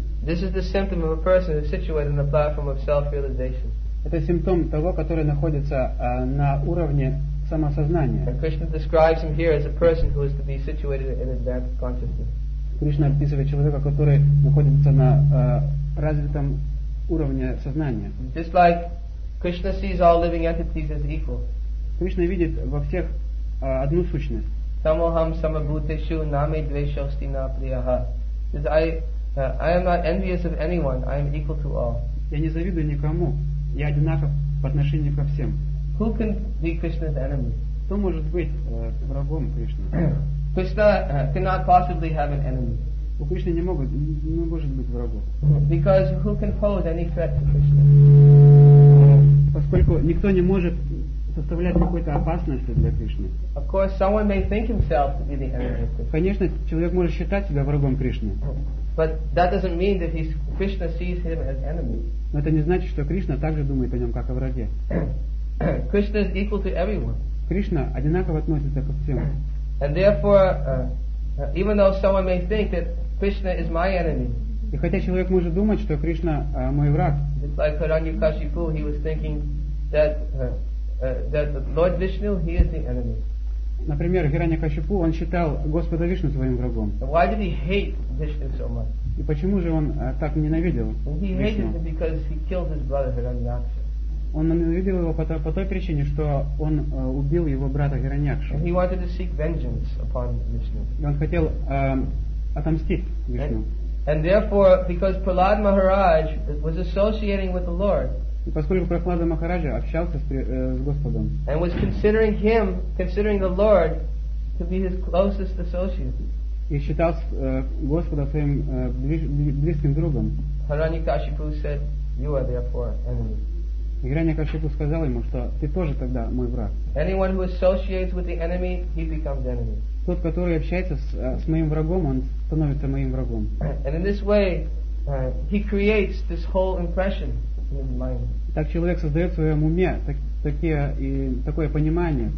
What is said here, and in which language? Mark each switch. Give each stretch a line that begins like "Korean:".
English: This is the symptom of a person who is situated on the platform of self-realization.
Russian: Это симптом того, который находится на уровне самосознания.
English: And Krishna describes him here as a person who is to be situated in advanced consciousness.
Russian: Кришна описывает человека, который находится на развитом уровне сознания.
English: Just like Krishna sees all living entities as equal.
Russian: Кришна видит во всех одну сущность.
Sanskrit: Tamoham samabhuteshu name dveshasti na priyaha.
English: Says I am not envious of anyone. I am equal to all.
Russian: Я не завидую никому. Я одинаков по отношению ко всем.
English: Who can be Krishna's enemy?
Russian: Кто может быть врагом Кришны?
English: Krishna cannot possibly have an enemy.
Russian: У Кришны не может быть врагов.
English: Because who can pose any threat to Krishna?
Russian: Поскольку никто не может составлять какой-то опасности для Кришны.
English: Of course, someone may think himself to be the enemy of Krishna.
Russian: Конечно, человек может считать себя врагом Кришны.
English: But that doesn't mean that Krishna sees him as enemy.
Russian: Но это не значит, что Кришна также думает о нем как о враге.
English: Krishna is equal to everyone.
Russian: Кришна одинаково относится ко всем.
English: And therefore, even though someone may think that Krishna is my enemy.
Russian: И хотя человек может думать, что Кришна мой враг.
English: It's like Hiranyakashipu, he was thinking that that Lord Vishnu, he is the enemy.
Russian: Например, Хираньякашипу, он считал Господа Вишну своим врагом.
English: Why did he hate Vishnu so much?
Russian: И почему же он так ненавидел
English: Вишну? He hated him because he killed his brother Hiranyaksha.
Russian: Он ненавидел его по той причине, что он убил его брата Хираньякшу.
English: He wanted to seek vengeance upon Vishnu.
Russian: И он хотел отомстить Вишну.
English: And therefore, because Prahlad Maharaj was associating with the Lord,
Russian: и поскольку Прохлада Махараджа общался с Господом,
English: and was considering him, considering the Lord, to be his closest associate,
Russian: и считал Господа своим близким другом,
English: Hiranyakashipu said, "You are therefore enemy."
Russian: Hiranyakashipu сказал ему, что ты тоже тогда мой враг.
English: Anyone who associates with the enemy, he becomes enemy.
Russian: Тот, который общается с моим врагом, он становится моим врагом.
English: And in this way, he creates this whole impression in his mind.
Russian: Так человек создает в своем уме такое понимание.